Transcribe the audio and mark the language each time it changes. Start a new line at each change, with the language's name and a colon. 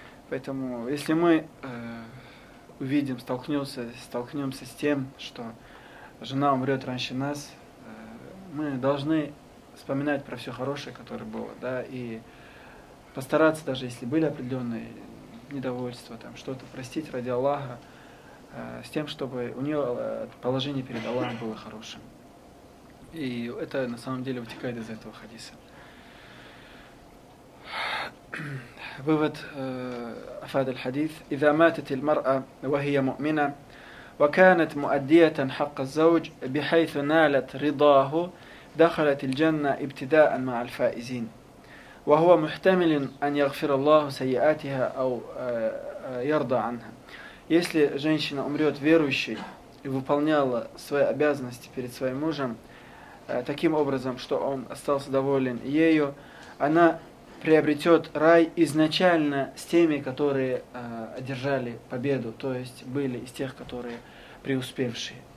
Russian: Поэтому если мы увидим, столкнемся с тем, что жена умрет раньше нас, мы должны вспоминать про все хорошее, которое было, да, и постараться, даже если были определенные недовольства, там, что-то простить ради Аллаха, с тем, чтобы у нее положение перед Аллахом было хорошим. И это на самом деле вытекает из этого хадиса. Вывод
Arabic: афад аль-хадис: إذا ماتت المرأة وهي مؤمنة وكانت مؤدية حق الزوج بحيث نالت رضاه دخلت الجنة ابتداء مع الفائزين وهو محتمل أن يغفر الله سيئاتها أو يرضى عنها.
Russian: Если женщина умрет верующей и выполняла свои обязанности перед своим мужем таким образом, что он остался доволен ею, она приобретет рай изначально с теми, которые одержали победу, то есть были из тех, которые преуспевшие.